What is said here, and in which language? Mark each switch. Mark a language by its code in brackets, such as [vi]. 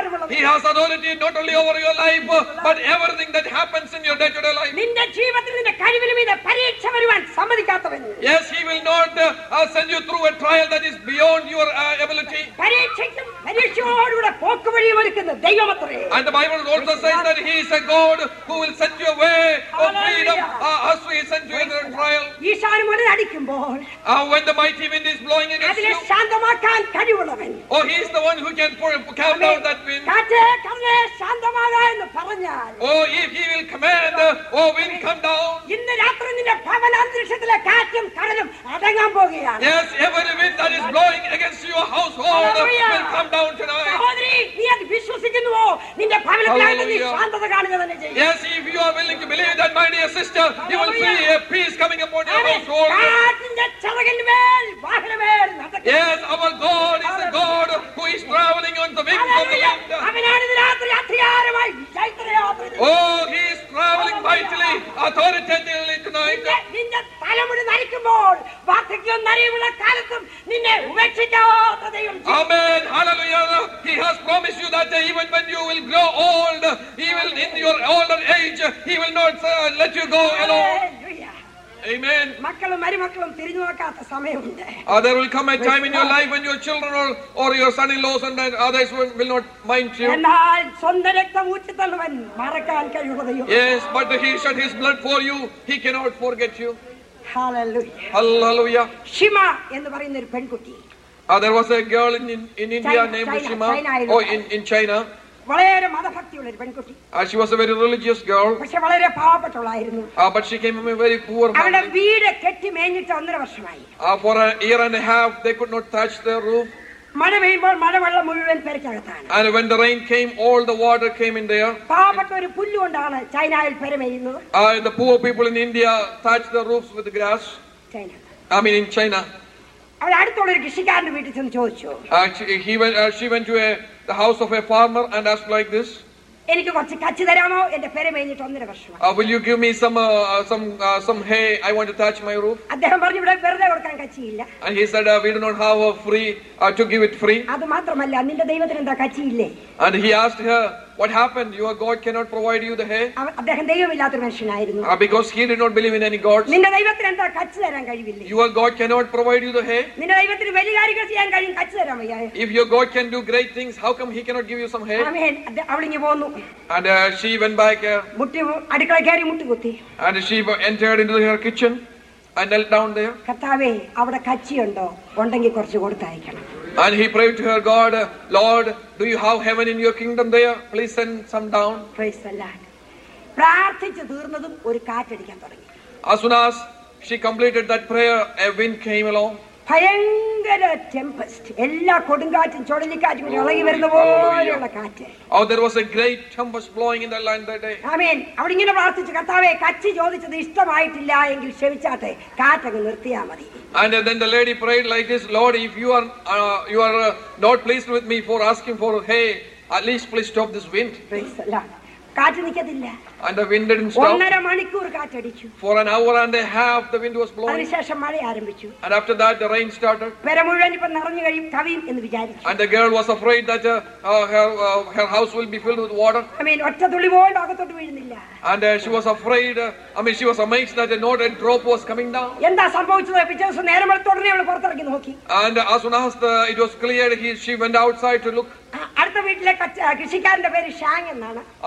[en] He has authority not only over your life but everything that happens in your day-to-day life. [ml] നിന്റെ ജീവിതത്തിന്റെ കരിവിലമീനെ പരീക്ഷ വരുവാൻ സമ്മതിക്കാത്തവൻ. [en] Yes, he will not send you through a trial that is beyond your ability. [ml] പരീക്ഷയും പരീക്ഷയോടുകൂടെ പോക്ക് വഴി ഒരുക്കുന്ന ദൈവമത്രേ. [en] And the Bible also says that he is a God who will send you away of freedom as he sent you into a trial. [ml] ഈശാനം മുതൽ അടിക്കുമ്പോൾ [en] when the mighty wind is blowing against you, [ml] അതിനെ ശാന്തമാക്കാൻ കഴിവുള്ളവൻ. [en] Oh, he is the one who can calm down that wind. [ml] കാറ്റ് കമ്മെ ശാന്തമാക എന്ന് പറഞ്ഞാൽ, [en] oh, if he will command, oh wind, come down. [ml] ഇന്ന് രാത്രി നിന്റെ ഭവന അന്തരീക്ഷത്തിലെ കാറ്റും കടലും അടങ്ങാൻ പോവുകയാണ്. [en] Yes, every wind that is blowing against your household will come down tonight. [ml] സഹോദരി, നീ അത് വിശ്വസിക്കുന്നുവോ? നിന്റെ ഭവനത്തിലെ നീ ശാന്തത കാണുക തന്നെ ചെയ്യും. [en] Yes, if you are willing to believe that, my dear sister, you will see a peace coming upon your household. [ml] കാറ്റിന്റെ ചിറകിന്മേൽ വാഹനമേൽ നടക്കും. [en] Yes, our God is a God who is traveling on the wings of the wind. [ml] അവനാണ് ഈ രാത്രി അധികാരമായി ജയിക്കുന്ന യാത്ര. [en] He is traveling mightily, authoritatively tonight. [ml] നിന്നെ തലമുടി നരിക്കുമ്പോൾ വാർദ്ധക്യം നരിയുള്ള കാലത്തും നിന്നെ ഉപേക്ഷിക്കാത്തതേയും. [en] Amen. Hallelujah. He has promised you that even when you will grow old, he will, in your older age, he will not let you go alone. Amen. [ml] മക്കളും മരുമക്കളും തിരിഞ്ഞു നോക്കാത്ത സമയമുണ്ട്. [en] There will come a time in your life when your children or your son-in-laws and others will not mind you. [ml] എന്നാൽ സ്വന്തം രക്തം ഊറ്റിത്തള്ളവൻ മറക്കാൻ കഴിയുകയില്ല. [en] Yes, but he shed his blood for you, he cannot forget you. Hallelujah. Hallelujah. [ml] Shima എന്ന് പറയുന്ന ഒരു പെൺകുട്ടി. [en] There was a girl in India named Shima. Oh, in China. [ml] വളരെ മതഭക്തിയുള്ള ഒരു പെൺകുട്ടി. [en] She was a very religious girl. [ml] പക്ഷേ വളരെ പാവപ്പെട്ടവളായിരുന്നു. [en] But she came from a very poor family. [ml] അവളുടെ വീട് കെട്ടി മേഞ്ഞിട്ട് ഒന്നര വർഷമായി. [en] For a year and a half they could not touch the roof. [ml] മഴ പെയ്യുമ്പോൾ മഴവെള്ളം മുഴുവൻ പെരയ്ക്കകത്താണ്. [en] And when the rain came, all the water came in there. [ml] പാവപ്പെട്ട ഒരു പുല്ല് കൊണ്ടാണ് ചൈനയിൽ പെരമേയുന്നത്. [en] The poor people in India thatch the roofs with grass. China. I mean in China. [ml] അവൾ അടുത്തുള്ള ഒരു കൃഷിക്കാരന്റെ വീട്ടിൽ ചെന്ന് ചോദിച്ചു. [en] She went to a the house of a farmer and asked like this, [ml] എനിക്ക് കുറച്ച് കച്ചി തരാമോ? എന്റെ പേര് മേഞ്ഞിട്ട് ഒന്നര വർഷമായി. [en] Will you give me some hay? I want to thatch my roof. [ml] അദ്ദേഹം പറഞ്ഞു, ഇവിടെ വെറുതെ കൊടുക്കാൻ കച്ചിയില്ല. [en] And he said, we do not have a free to give it free. [ml] അത് മാത്രമല്ല, നിന്റെ ദൈവത്തിന് എന്താ കച്ചിയില്ലേ? [en] And he asked her, what happened? Your God cannot provide you the hay? [ml] അദ്ദേഹം ദൈവമില്ലാത്ത മനുഷ്യനായിരുന്നു. [en] Because he did not believe in any gods. [ml] നിന്റെ ദൈവത്തിന് എന്താ കച്ചി തരാൻ കഴിയില്ലേ? [en] Your God cannot provide you the hay? [ml] നിന്റെ ദൈവത്തിന് വലിയ കാര്യങ്ങൾ ചെയ്യാൻ കഴിയും, കച്ചി തരാൻ വയ്യായോ? [en] If your God can do great things, how come he cannot give you some hay? [ml] ആമേൻ. അവളിങ്ങ് പോന്നു. [en] And she went back. [ml] മുട്ടി അടുക്കള കയറി മുട്ടി കുത്തി. [en] And she entered into her kitchen and knelt down there. [ml] കർത്താവേ, അവിടെ കച്ചി ഉണ്ടോ? ഉണ്ടെങ്കിൽ കുറച്ച് കൊടുത്തയക്കണം. [en] And he prayed to her God, Lord, do you have heaven in your kingdom there? Please send some down. Praise the Lord. [ml] പ്രാർത്ഥിച്ചു തീർന്നതും ഒരു കാറ്റ് അടിക്കാൻ തുടങ്ങി. [en] As soon as she completed that prayer, a wind came along. [ml] ഭയങ്കര Tempest, എല്ലാ കൊടുങ്കാറ്റും ചുഴലിക്കാറ്റും കൂടി ഇളകി വരുന്ന പോലെയുള്ള കാറ്റ്. [en] Oh, there was a great tempest blowing in the land that day. [ml] ആമേൻ. അവിടെ ഇങ്ങനെ പ്രാർത്ഥിച്ചു, കർത്താവേ, കച്ചി ചോദിച്ചത് ഇഷ്ടമായിട്ടില്ല എങ്കിൽ ക്ഷമിച്ചാട്ടെ, കാറ്റങ്ങ് നിർത്തിയാ മതി. [en] And then the lady prayed like this, Lord, if you are not pleased with me for asking for hay, at least please stop this wind. Praise the Lord. [ml] കാറ്റ് നിൽക്കത്തില്ല. [en] And the wind didn't stop. [ml] ഒന്നര മണിക്കൂർ കാറ്റ് അടിച്ചു. [en] For an hour and a half the wind was blowing. [ml] അതിനുശേഷം മഴ ആരംഭിച്ചു. [en] And after that the rain started. [ml] പെര മുഴുവൻ ഇപ്പോ നിറഞ്ഞു കഴിയും, കവിയും എന്ന് വിചാരിച്ചു. [en] And the girl was afraid that her house will be filled with water. I mean, [ml] ഒറ്റ തുള്ളി പോലും ലോകത്തോട്ട് വീഴുന്നില്ല. [en] And she was afraid, she was amazed that not a drop was coming down. [ml] എന്താ സംഭവിച്ചത്? പിച്ചസ് നേരമെടുത്തോടനെ അവൾ പുറത്തിറങ്ങി നോക്കി. [en] And as soon as it was clear, she went outside to look. [ml] അടുത്ത വീട്ടിലെ കൃഷിക്കാരന്റെ പേര് ഷാങ് എന്നാണ്.